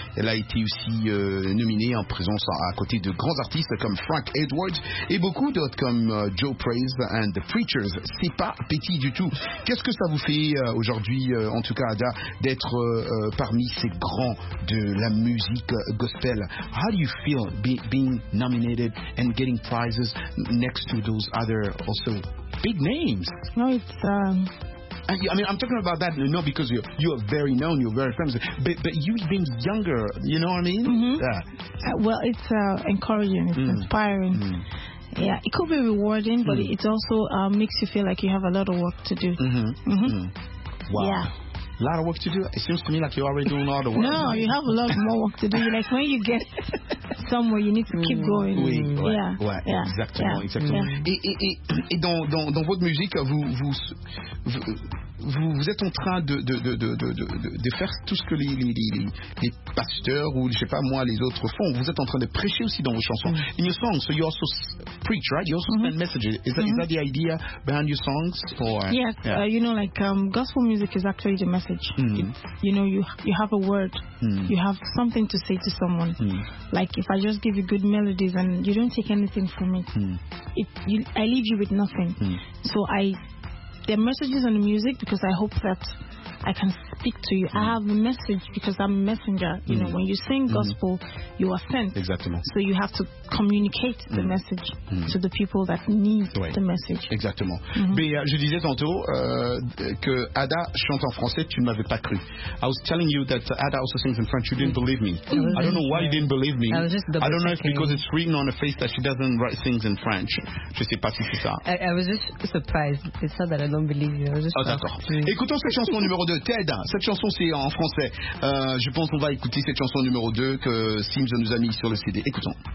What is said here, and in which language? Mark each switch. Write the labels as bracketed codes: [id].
[fr] Elle a été aussi nominée en présence à côté de grands artistes comme Frank Edwards et beaucoup d'autres comme Joe Praise and The Preachers. C'est pas petit du tout. Qu'est-ce que ça vous fait aujourd'hui, en tout cas Ada, d'être parmi ces grands de la musique gospel? [en] How do you feel being nominated and getting prizes next to those other also big names? No, it's I mean, I'm talking about that, you know, because you're very known, you're very famous, but you've been younger, you know what I mean? Well, it's encouraging, it's inspiring. Yeah, it could be rewarding, but it also makes you feel like you have a lot of work to do. Wow. Yeah. A lot of work to do? It seems to me like you're already doing all the work. No, right? You have a lot more work to do. Like, when you get somewhere, you need to keep going. [fr] Oui, ouais, exactement. Et dans votre musique, vous êtes en train de faire tout ce que les pasteurs ou, je sais pas moi, les autres font. Vous êtes en train de prêcher aussi dans vos chansons. [en] In your songs, so you're also preach, right? You also mm-hmm. send messages. Is that, is that the idea behind your songs? Or You know, like gospel music is actually the message. Mm-hmm. You know, you have a word. Mm-hmm. You have something to say to someone. Mm-hmm. Like if I just give you good melodies and you don't take anything from it, mm-hmm. I leave you with nothing. Mm-hmm. So there are messages on the music because I hope that I can speak to you. Mm. I have a message because I'm a messenger. You know, when you sing gospel, you are sent. Exactly. So you have to communicate the message to the people that need the message. [fr] Exactement. Mm-hmm. Mais je disais tantôt que Ada chante en français, tu ne m'avais pas cru. [en] I was telling you that Ada also sings in French. You didn't believe me. I don't know why you didn't believe me. I don't know if because it's written on her face that she doesn't write things in French. [fr] Je ne sais pas si c'est ça. [en] I was just surprised. It's not that I don't believe you. I was just [fr] D'accord. Mm. Écoutons cette chanson numéro de Ted, cette chanson c'est en français. Je pense qu'on va écouter cette chanson numéro 2 que Sims nous a mis sur le CD. Écoutons.